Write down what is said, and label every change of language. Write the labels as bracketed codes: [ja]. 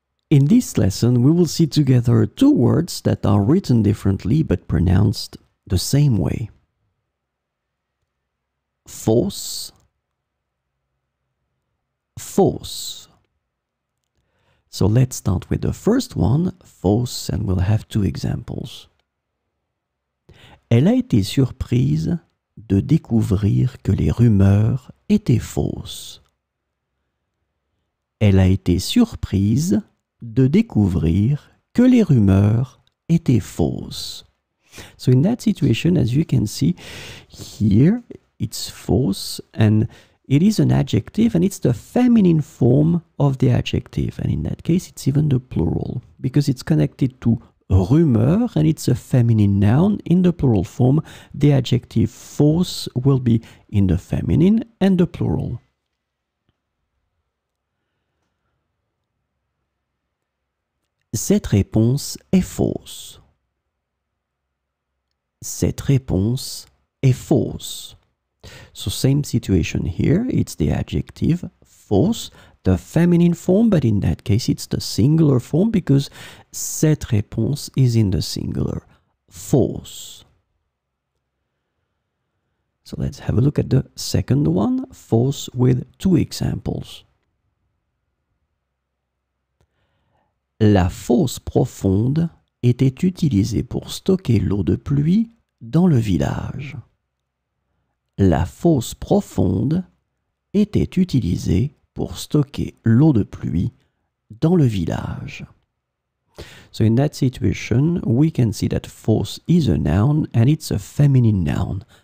[en] In this lesson, we will see together two words that are written differently but pronounced the same way. [fr] Fosse, fosse. [en] So let's start with the first one, fosse, and we'll have two examples. [fr] Elle a été surprise de découvrir que les rumeurs étaient fausses. Elle a été surprise de découvrir que les rumeurs étaient fausses. [en] So in that situation, as you can see here, it's fausse, and it is an adjective, and it's the feminine form of the adjective. And in that case, it's even the plural, because it's connected to rumeur, and it's a feminine noun in the plural form. The adjective fausse will be in the feminine and the plural. [fr] Cette réponse est fausse. Cette réponse est fausse. [en] So same situation here, it's the adjective fausse, the feminine form, but in that case it's the singular form because [fr] cette réponse [en] is in the singular, fausse. So let's have a look at the second one, fausse, with two examples. [fr] La fosse profonde était utilisée pour stocker l'eau de pluie dans le village. La fosse profonde était utilisée pour stocker l'eau de pluie dans le village. [en] So in that situation, we can see that fosse is a noun and it's a feminine noun.